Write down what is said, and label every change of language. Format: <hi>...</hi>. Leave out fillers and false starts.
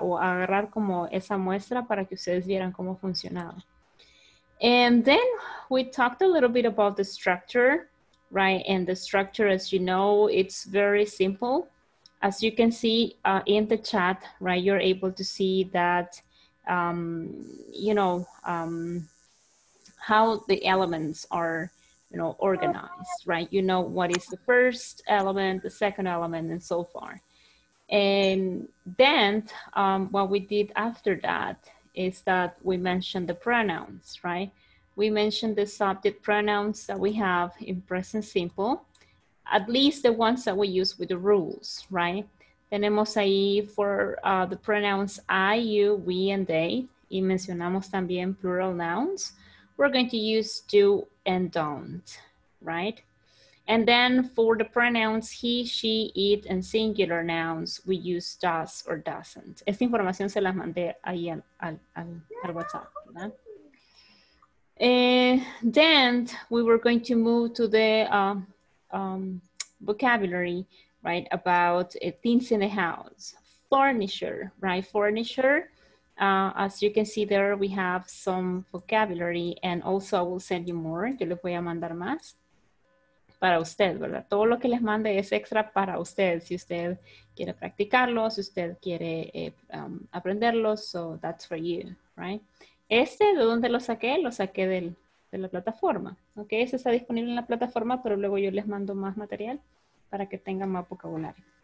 <es>O agarrar como esa muestra para que ustedes vieran cómo funcionaba.</es> <en>And then we talked a little bit about the structure, right? And the structure, as you know, it's very simple. As you can see in the chat, right, you're able to see that, you know, how the elements are, you know, organized, right? You know what is the first element, the second element, and so far. And then what we did after that is that we mentioned the pronouns, right? We mentioned the subject pronouns that we have in present simple, at least the ones that we use with the rules, right?</en> <es>Tenemos ahí</es> <en>for the pronouns I, you, we, and they,</en> <es>y mencionamos también</es> <en>plural nouns. We're going to use do and don't, right? And then for the pronouns he, she, it, and singular nouns, we use does or doesn't.</en> <es>Esta información se la mandé ahí al WhatsApp, ¿verdad?</es> <en>And then we were going to move to the vocabulary, right, about things in the house. Furniture, right, furniture. As you can see there, we have some vocabulary, and also I will send you more.</en> <es>Yo les voy a mandar más. para usted, ¿verdad? Todo lo que les mande es extra para usted. Si usted quiere practicarlo, si usted quiere aprenderlo,</es> <en>so that's for you, right?</en> <es>Este, ¿de dónde lo saqué? Lo saqué de la plataforma, ¿ok? Este está disponible en la plataforma, pero luego yo les mando más material para que tengan más vocabulario.</es>